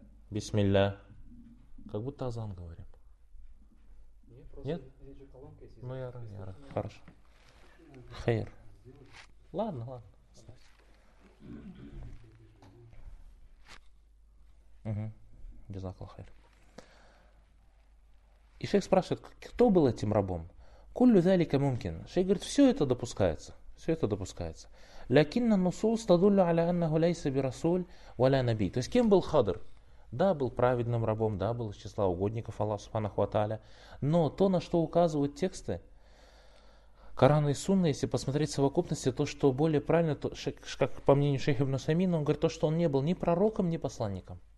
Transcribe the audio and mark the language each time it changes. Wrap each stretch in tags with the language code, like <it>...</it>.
<ru>Бисмилля. Как будто азан говорим. Нет? Ну я рано. Хорошо. Хейр. Ладно, ладно. Угу. Джазакаллаху хейр. И шейх спрашивает, кто был этим рабом?</ru> <ar>كل ذلك ممكن. شيخ قلت</ar> <ru>все это допускается, все это допускается.</ru> <ar>لكن النصوص تدل على أنه ليس برسول ولا نبي.</ar> <ru>То есть кем был Хадр? Да, был праведным рабом, да, был из числа угодников Аллаха Субханаху ва Тааля. Но то, на что указывают тексты Корана и Сунна, если посмотреть в совокупности, то, что более правильно, то, как по мнению шейха Ибн Усаймина, он говорит то, что он не был ни пророком, ни посланником.</ru>